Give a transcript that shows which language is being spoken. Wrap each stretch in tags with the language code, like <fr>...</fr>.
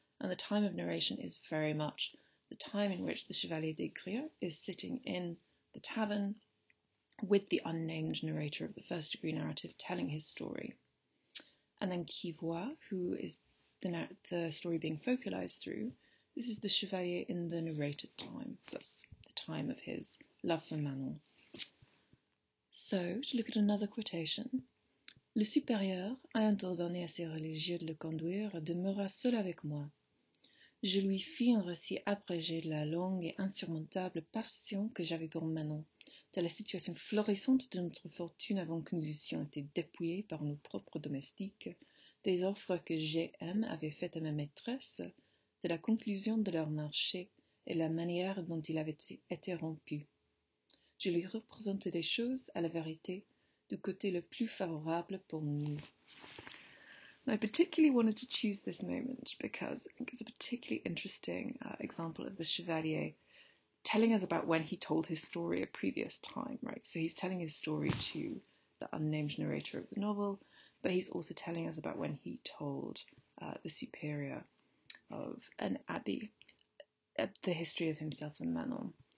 <en>And the time of narration is very much the time in which the chevalier des Grieux is sitting in the tavern with the unnamed narrator of the first degree narrative telling his story. And then</en> <fr>qui voit,</fr> <en>who is the story being focalized through, this is the chevalier in the narrated time, so that's the time of his love for Manon. So, to look at another quotation.</en> <fr>Le supérieur, ayant ordonné à ses religieux de le conduire, demeura seul avec moi. Je lui fis un récit abrégé de la longue et insurmontable passion que j'avais pour Manon, de la situation florissante de notre fortune avant que nous eussions été dépouillés par nos propres domestiques, des offres que G.M. avait faites à ma maîtresse, de la conclusion de leur marché et la manière dont il avait été rompu. Je lui représentais des choses, à la vérité, du côté le plus favorable pour nous.</fr> <en>I particularly wanted to choose this moment because I think it's a particularly interesting example of the chevalier telling us about when he told his story a previous time, right? So he's telling his story to the unnamed narrator of the novel, but he's also telling us about when he told the superior of an abbey, the history of himself and Manon.</en>